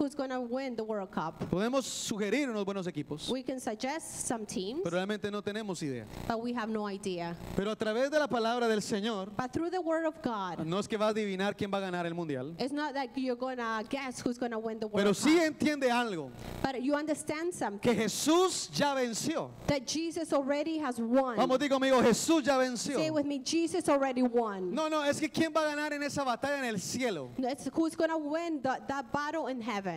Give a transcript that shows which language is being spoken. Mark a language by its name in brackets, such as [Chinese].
[English] Who's going to win the World Cup? [Spanish] Podemos sugerir unos buenos equipos. [English] We can suggest some teams. [Spanish] Pero realmente no tenemos idea. [English] But we have no idea. [Spanish] Pero a través de la palabra del Señor, [English] but through the word of God, [Spanish] no es que va a adivinar quién va a ganar el mundial. [English] It's not that you're going to guess who's going to win the World [Spanish] pero [English] Cup. [Spanish] Pero sí entiende algo. [English] But you understand something. [Spanish] Que Jesús ya venció. [English] That Jesus already has won. [Spanish] Vamos, digo conmigo, Jesús ya venció. [English] Say with me, Jesus already won. [Spanish] No, es que quién va a ganar en esa batalla en el cielo. [English] It's who's going to win that battle in heaven.